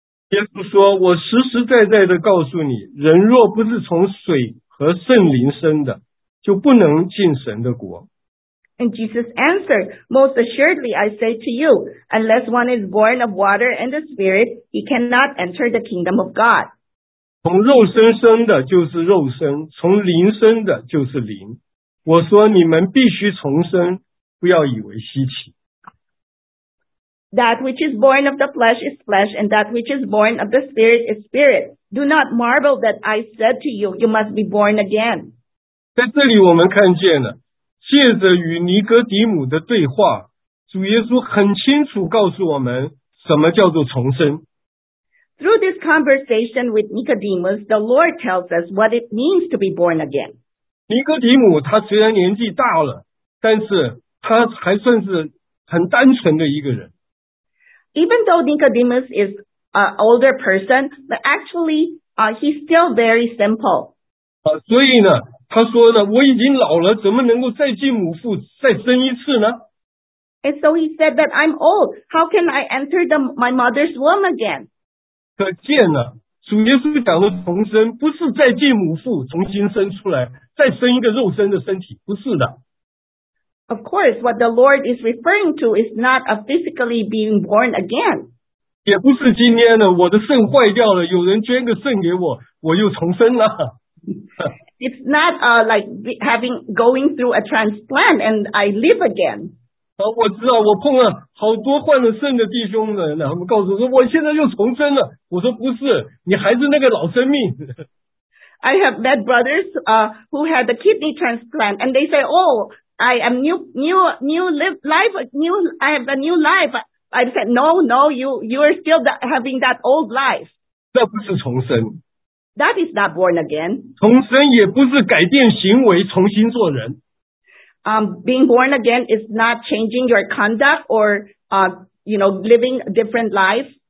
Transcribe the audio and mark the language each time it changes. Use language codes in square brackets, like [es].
[zh] 耶稣说，我实实在在的告诉你，人若不是从水和圣灵生的，就不能进神的国。 [en] And Jesus answered, Most assuredly I say to you, unless one is born of water and the Spirit, he cannot enter the kingdom of God. [zh] 从肉身生的就是肉身，从灵生的就是灵。我说你们必须重生，不要以为稀奇。 [en] That which is born of the flesh is flesh, and that which is born of the spirit is spirit. Do not marvel that I said to you, you must be born again. [zh] 在这里我们看见了，借着与尼哥底母的对话，主耶稣很清楚告诉我们什么叫做重生。 [en] Through this conversation with Nicodemus, the Lord tells us what it means to be born again. [zh] 尼哥底母他虽然年纪大了，但是他还算是很单纯的一个人。 [en] Even though Nicodemus is an older person, but actually, he's still very simple. [zh] 所以呢，他说呢，我已经老了，怎么能够再进母腹再生一次呢？ [en] And so he said that I'm old. How can I enter my mother's womb again? [zh] 可见呢，主耶稣讲的重生不是再进母腹重新生出来，再生一个肉身的身体，不是的。 [en] Of course, what the Lord is referring to is not a physically being born again. [zh] 也不是今天呢，我的肾坏掉了，有人捐个肾给我，我又重生了。 [en] It's not like going through a transplant and I live again. [zh] 我知道，我碰了好多换了肾的弟兄们，他们告诉我说，我现在又重生了。我说不是，你还是那个老生命。 [en] I have met brothers who had a kidney transplant, and they say, "Oh, I am new life. I have a new life." I said, "No, you are still having that old life." [zh] 这不是重生。 [en] That is not born again. [zh] 重生也不是改变行为，重新做人。 [en] Being born again is not changing your conduct or living a different life.